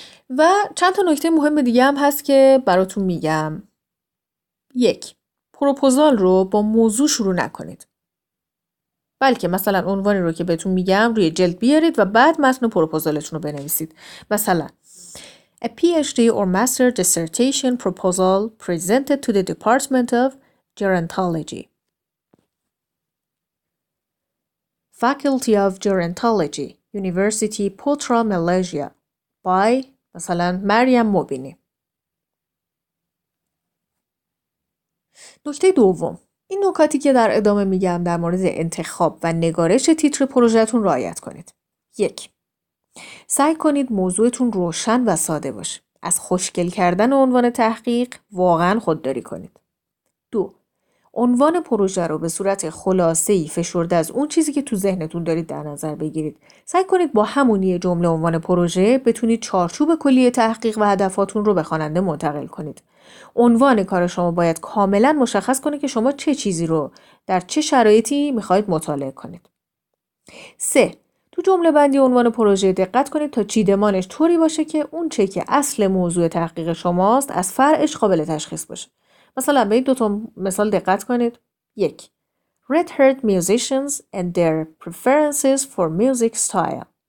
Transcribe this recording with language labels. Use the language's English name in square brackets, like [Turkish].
[Persian] و چند تا نکته مهم دیگه هم هست که براتون میگم. یک، پروپوزال رو با موضوع شروع نکنید، بلکه مثلا عنوانی رو که بهتون میگم روی جلد بیارید و بعد متن پروپوزالتون رو بنویسید. مثلا [English] A PhD or Master Dissertation Proposal Presented to the Department of Gerontology Faculty of Gerontology University Putra Malaysia by مثلا Maryam Mobini. [Persian] نکته دوم، این نکاتی که در ادامه میگم در مورد انتخاب و نگارش تیتر پروژهتون رعایت کنید. 1. سعی کنید موضوعتون روشن و ساده باشه. از خوشگل کردن عنوان تحقیق واقعا خودداری کنید. 2. عنوان پروژه رو به صورت خلاصه‌ای فشرده از اون چیزی که تو ذهنتون دارید در نظر بگیرید. سعی کنید با همون یه جمله عنوان پروژه بتونید چارچوب کلی تحقیق و هدفاتون رو به خواننده منتقل کنید. عنوان کار شما باید کاملا مشخص کنه که شما چه چیزی رو در چه شرایطی میخواید مطالعه کنید. 3. تو جمله بندی عنوان پروژه دقت کنید تا چیدمانش طوری باشه که اون چه که اصل موضوع تحقیق شماست از فرعش قابل تشخیص باشه. مثلا به این دو تا مثال دقت کنید. 1. [English] Red-haired musicians and their preferences for music style.